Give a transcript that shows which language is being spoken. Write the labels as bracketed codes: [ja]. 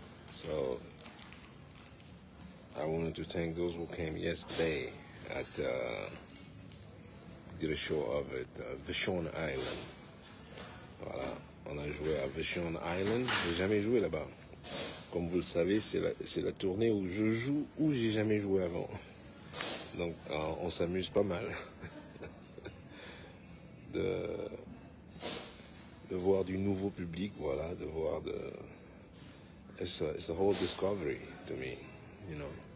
[en] So I wanted to thank those who came yesterday at did a show of it, Vashon Island. [fr] Voilà, on a joué à Vashon Island. J'ai jamais joué là-bas. Comme vous le savez, c'est la tournée où je joue où j'ai jamais joué avant. Donc on s'amuse pas mal de voir du nouveau public. Voilà, de voir de. [en] It's a whole discovery to me, you know.